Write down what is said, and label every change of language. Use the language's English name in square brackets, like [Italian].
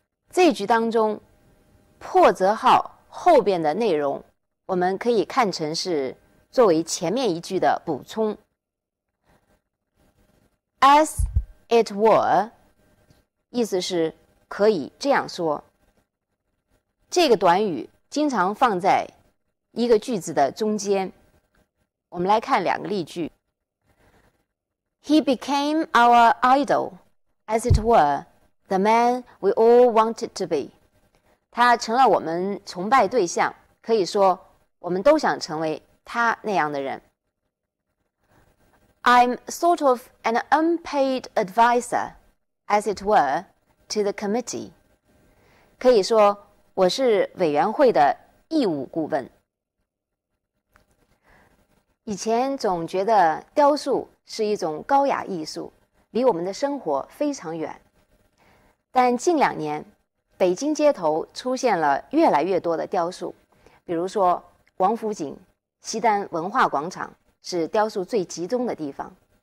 [Chinese] 这一句当中破折号后边的内容我们可以看成是作为前面一句的补充。 [English] As it were, [Chinese] 意思是可以这样说。这个短语经常放在一个句子的中间。我们来看两个例句。 [English] He became our idol, as it were, the man we all wanted to be. [Chinese] 他成了我们崇拜对象，可以说我们都想成为他那样的人。 [English] I'm sort of an unpaid advisor, as it were, to the committee. [Chinese] 可以说我是委员会的义务顾问。以前总觉得雕塑是一种高雅艺术，离我们的生活非常远。但近两年，北京街头出现了越来越多的雕塑，比如说王府井、西单文化广场是雕塑最集中的地方。